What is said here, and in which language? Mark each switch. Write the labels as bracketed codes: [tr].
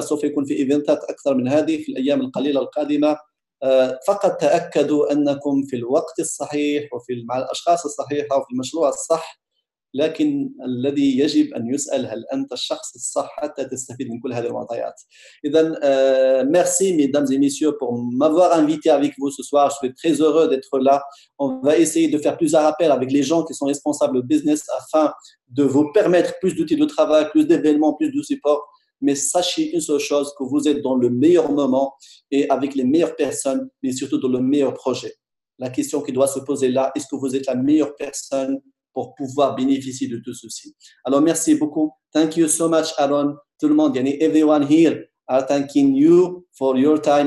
[ar] سوف يكون في إيفنتات أكثر من هذه في الأيام القليلة القادمة. فقط تأكدوا أنكم في الوقت الصحيح وفي مع الأشخاص الصحيحة وفي المشروع الصح، لكن الذي يجب أن يسأل هل أنت الشخص الصح حتى تستفيد من كل هذه المعطيات. إذن [fr] merci mesdames et messieurs pour m'avoir invité avec vous ce soir. Je suis très heureux d'être là. On va essayer de faire plusieurs appels avec les gens qui sont responsables du business afin de vous permettre plus d'outils de travail, plus d'événements, plus de support. Mais sachez une seule chose, que vous êtes dans le meilleur moment et avec les meilleures personnes, mais surtout dans le meilleur projet. La question qui doit se poser là, est-ce que vous êtes la meilleure personne pour pouvoir bénéficier de tout ceci? Alors, merci beaucoup. [en] Thank you so much, Aaron. [fr] Tout le monde, [ar] yani [en] everyone here, are thanking you for your time.